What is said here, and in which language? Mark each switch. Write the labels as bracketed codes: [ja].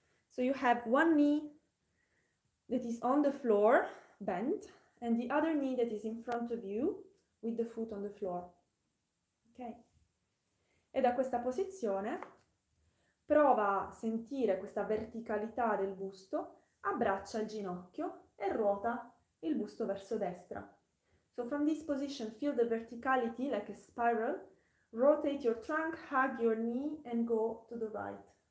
[en] So you have one knee that is on the floor, bent, and the other knee that is in front of you with the foot on the floor. Ok? [it] E da questa posizione prova a sentire questa verticalità del busto, abbraccia il ginocchio e ruota il busto verso destra. [en] So from this position, feel the verticality like a spiral, rotate your trunk, hug your knee and go to the right.